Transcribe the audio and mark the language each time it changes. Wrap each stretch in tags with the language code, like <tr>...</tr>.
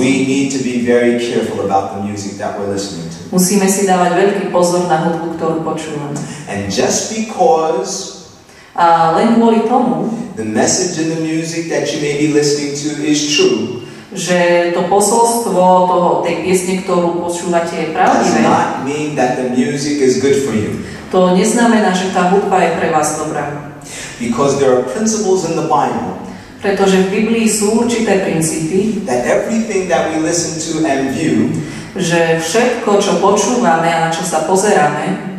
<en>we need to be very careful about the music that we're listening to.</en> <sk>Musíme si dávať veľký pozor na hudbu, ktorú počúvame.</sk> <en>And just because</en> <sk>a len kvôli tomu,</sk> <en>the message in the music that you may be listening to is true,</en> <sk>že to posolstvo tej piesne, ktorú počúvate, je pravdivé,</sk> <en>does not mean that the music is good for you.</en> <sk>To neznamená, že tá hudba je pre vás dobrá.</sk> <en>Because there are principles in the Bible,</en> <sk>pretože v Biblii sú určité princípy,</sk> <en>that everything that we listen to and view,</en> <sk>že všetko, čo počúvame a na čo sa pozeráme,</sk>